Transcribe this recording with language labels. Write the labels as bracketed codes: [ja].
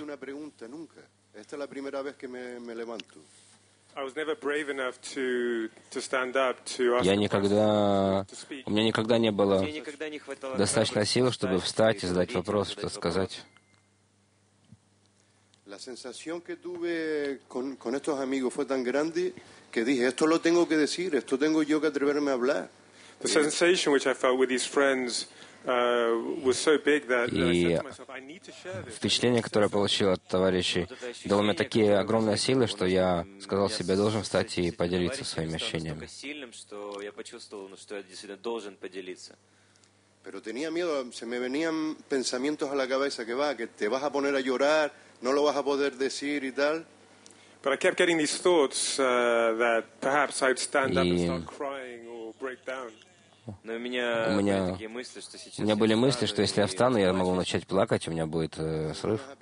[ru] У меня никогда не было достаточно сил, чтобы встать и задать вопрос, что сказать. [es] La sensación que tuve con estos amigos fue tan grande. Que dije, esto lo tengo que decir, esto tengo yo que atreverme a hablar. [en] The sensation which I felt with these friends was so big that I said to myself, I need to share this. [ru] Впечатление, которое получил от товарищей, дало мне такие огромные силы, что я сказал себе, должен встать и поделиться своими ощущениями. Я стал сильным, что я почувствовал, что я действительно должен поделиться. [es] Pero tenía miedo, se me venían pensamientos a la cabeza que va, que te vas a poner a llorar, no lo vas a poder decir y tal. [en] But I kept getting these thoughts that perhaps I'd stand up and start crying or break down. [ru] Но у меня такие мысли, что сейчас у меня были мысли, что если я встану, я могу начать плакать, у меня будет срыв.